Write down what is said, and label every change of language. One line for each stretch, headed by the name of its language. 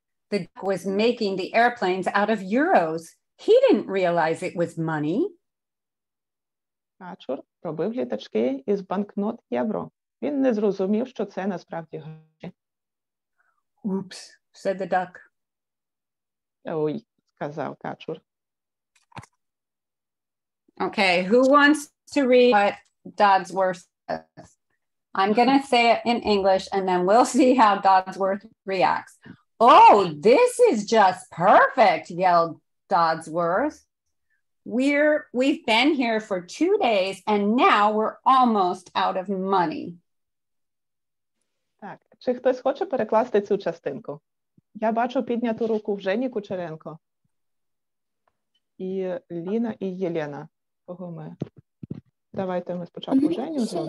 English: The duck was making the airplanes out of euros. He didn't realize it was money.
Ukrainian: Качур робив літачки із банкнот євро. Він не зрозумів, що це насправді гроші.
English: Oops, said the duck.
Ukrainian: Ой, сказав качур.
English: Okay, who wants to read what Dodsworth says? I'm going to say it in English and then we'll see how Dodsworth reacts. Oh, this is just perfect, yelled Dodsworth. We've been here for 2 days and now we're almost out of money.
Ukrainian: Так, чи хтось хоче перекласти цю частинку? Я бачу підняту руку в Жені Кучеренко. І Ліна, і Єлена. Кого ми? Давайте ми спочатку Женю.